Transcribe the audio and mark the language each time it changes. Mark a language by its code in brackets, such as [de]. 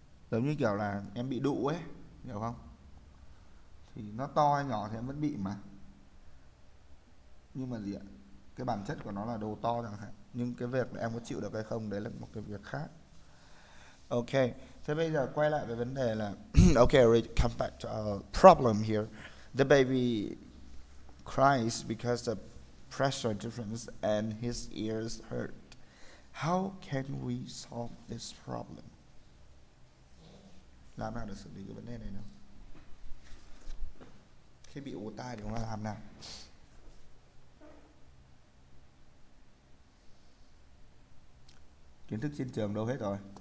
[vi] Giống như kiểu là em bị đụ ấy, hiểu không? Thì nó to hay nhỏ thì em vẫn bị mà. Nhưng mà gì ạ? Cái bản chất của nó là đồ to chẳng hạn, nhưng cái việc là em có chịu được hay không đấy là một cái việc khác. [en] Okay, [vi] thế bây giờ quay lại về vấn đề là [en] okay, we come back to our problem here. The baby cries because of pressure difference and his ears hurt. How can we solve this problem? [vi] Làm nào để xử lý cái vấn đề này nào? Khi bị ù tai thì chúng ta làm nào? Kiến thức trên trường đâu hết rồi?